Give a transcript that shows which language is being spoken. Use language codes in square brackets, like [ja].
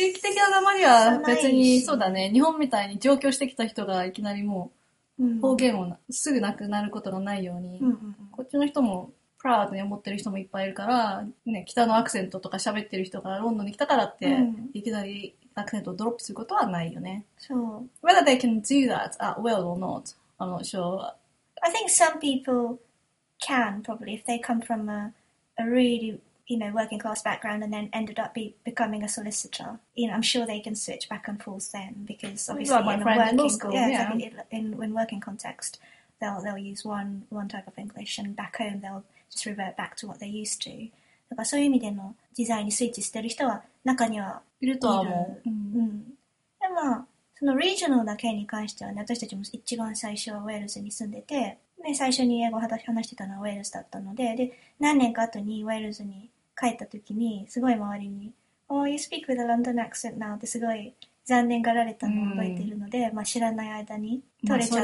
[ja] 地域的な名前は別にそうだね。日本みたいに上京してきた人がいきなりもううん、方言をすぐなくなることがないように、うんうんうん、こっちの人もプラウドに思ってる人もいっぱいいるから、ね、北のアクセントとか喋ってる人がロンドンに来たからって、うん、いきなりアクセントをドロップすることはないよね。そう。 [en] Whether they can do that at will or not, I'm not sure. I think some people can probably if they come from a really, you know, working class background and then ended up becoming a solicitor. You know, I'm sure they can switch back and forth then because obviously like in a working law school, yeah, yeah. In working context, they'll use one type of English and back home they'll just revert back to what they used to. [ja] だからそういう意味でのデザインにスイッチしてる人は中にはいるとは思う。うん。でも、そのリージョナルな件に関してはね、私たちも一番最初はウェールズに住んでて、ね、最初に英語を話してたのはウェールズだったので、で、何年か後にウェールズに帰った時に、すごい周りに、 [en] Oh, you speak with a London accent now [ja] ってすごい残念がられたのを覚えているので、まあ知らない間に取れちゃった、